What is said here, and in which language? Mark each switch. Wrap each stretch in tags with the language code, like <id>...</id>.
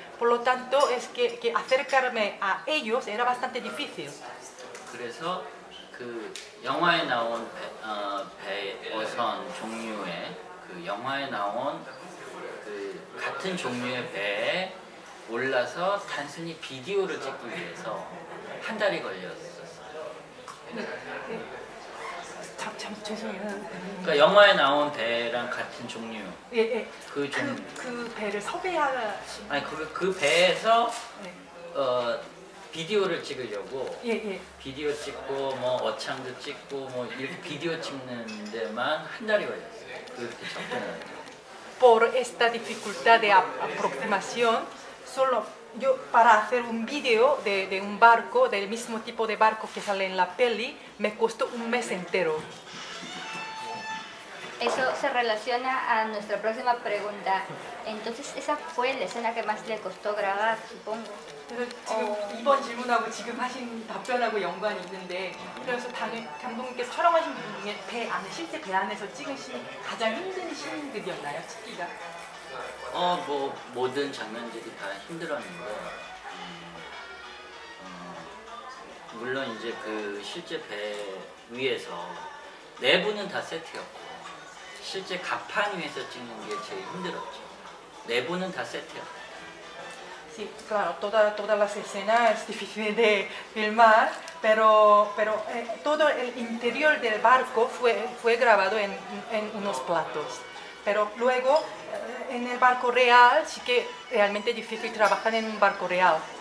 <es>Por lo tanto, es que acercarme a ellos era bastante difícil.</es> <ko>그래서 그 영화에 나온 배 어선 종류의 그 영화에 나온 그 같은 종류의 배에 올라서 단순히 비디오를 찍기 위해서 한 달이 걸렸어요. 참 죄송해요. 그러니까 영화에 나온 배랑 같은 종류. 예, 예. 그 배를 섭외하라. 아니 그 배에서 예. 비디오를 찍으려고. 예, 예. 비디오 찍고 뭐 어창도 찍고 뭐 이렇게 비디오 찍는 데만 한 달이 걸렸어요. 그렇게 접근하는.</ko> <es>Por esta dificultad de aproximación solo. Yo, para hacer un vídeo de un barco, del mismo tipo de barco que sale en la peli, me costó un mes entero. Eso se relaciona a nuestra próxima pregunta. Entonces, esa fue la escena que más le costó grabar, supongo.</es> <ko>이번 질문하고 지금 하신 답변하고 연관이 있는데 그래서 감독님께서 촬영하신 분 중에 배 안에 실제 배 안에서 찍은 신이 가장 힘든 신들이었나요? 찍기가? 뭐 모든 장면들이 다 힘들었는데 물론 이제 그 실제 배 위에서 내부는 다 세트였고 실제 갑판 위에서 찍는 게 제일 힘들었죠. 내부는 다 세트였고.</ko> <es>Sí, claro, todas las escenas es difícil de filmar, pero todo el interior del barco fue grabado en unos platos. Pero luego, en el barco real, sí que realmente es difícil trabajar en un barco real.</es>